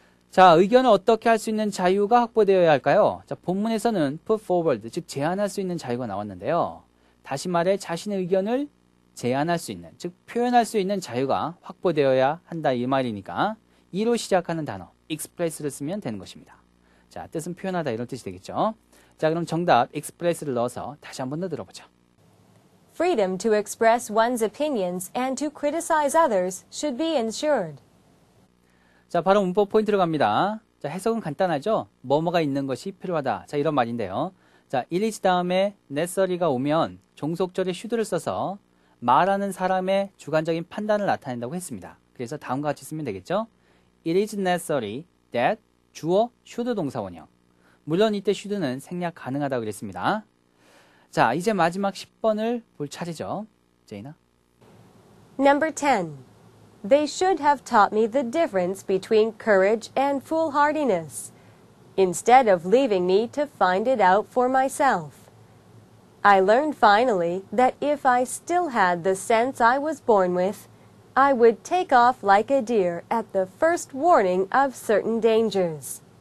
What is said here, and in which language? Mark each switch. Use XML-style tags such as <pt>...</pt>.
<ko>자, 의견을 어떻게 할 수 있는 자유가 확보되어야 할까요? 자, 본문에서는 put forward, 즉 제안할 수 있는 자유가 나왔는데요. 다시 말해 자신의 의견을 제안할 수 있는, 즉 표현할 수 있는 자유가 확보되어야 한다, 이 말이니까 이로 시작하는 단어 express를 쓰면 되는 것입니다. 자, 뜻은 표현하다, 이런 뜻이 되겠죠. 자, 그럼 정답 express를 넣어서 다시 한 번 더 들어보죠.</ko> <en>Freedom to express one's opinions and to criticize others should be ensured.</en> <ko>자, 바로 문법 포인트로 갑니다. 자, 해석은 간단하죠. 뭐뭐가 있는 것이 필요하다. 자, 이런 말인데요. 자, it is 다음에 necessary가 오면 종속절에 should를 써서 말하는 사람의 주관적인 판단을 나타낸다고 했습니다. 그래서 다음과 같이 쓰면 되겠죠.</ko> <en>It is necessary that 주어 should 동사원형.</en> <ko>물론 이때 should는 생략 가능하다고 그랬습니다. 자, 이제 마지막 10번을 볼 차례죠. 제이나.</ko> <en>Number 10. They should have taught me the difference between courage and foolhardiness instead of leaving me to find it out for myself. I learned finally that if I still had the sense I was born with, I would take off like a deer at the first warning of certain dangers.</en>